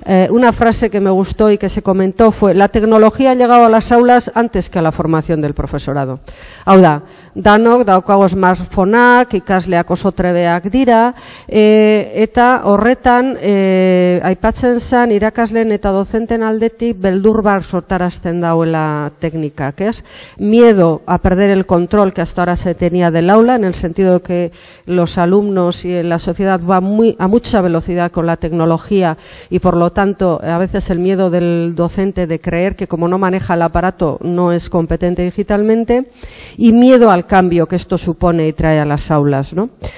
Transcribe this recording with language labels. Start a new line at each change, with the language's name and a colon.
Spanish: Una frase que me gustó y que se comentó fue: la tecnología ha llegado a las aulas antes que a la formación del profesorado.
Basque: Hau da, danok daukago smartphoneak, ikasleak oso trebeak dira, eta horretan aipatzen zan irakasleen eta dozenten aldetik beldur bar sortarazten dauela teknikak, ez?
Spanish: Miedo a perder el control que hasta ahora se tenía del aula, en el sentido que los alumnos y la sociedad va a mucha velocidad con la tecnología, y por lo tanto a veces el miedo del docente de creer que como no maneja el aparato no es competente digitalmente, y miedo al cambio que esto supone y trae a las aulas, ¿no?